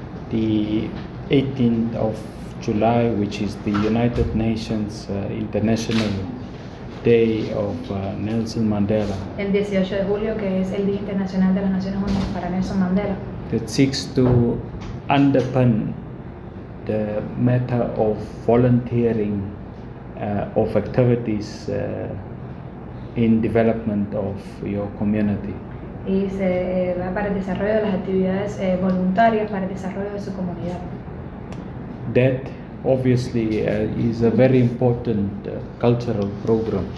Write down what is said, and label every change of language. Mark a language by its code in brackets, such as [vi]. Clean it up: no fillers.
[en] The 18th of July, which is the United Nations International Day of Nelson Mandela. [es] El 18 de julio, que es el Día Internacional de las Naciones Unidas para Nelson Mandela. [en] That seeks to underpin the matter of volunteering of activities in development of your community. [es] Y se va para el desarrollo de las actividades voluntarias para el desarrollo de su comunidad. [en] That obviously is a very important cultural program.